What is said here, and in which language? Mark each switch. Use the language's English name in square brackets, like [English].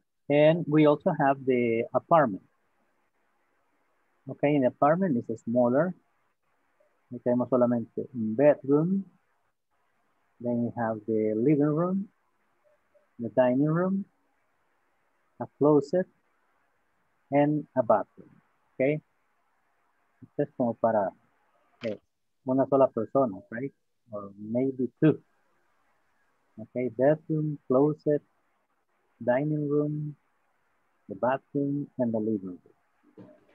[English] And we also have the apartment. Okay, an apartment is smaller. [Spanish] Tenemos solamente un bedroom. [English] Then you have the living room, the dining room, a closet, and a bathroom. Okay? [Spanish] Esto es como para una sola persona, right? [English] Or maybe two. Okay, bedroom, closet, dining room, the bathroom, and the living room.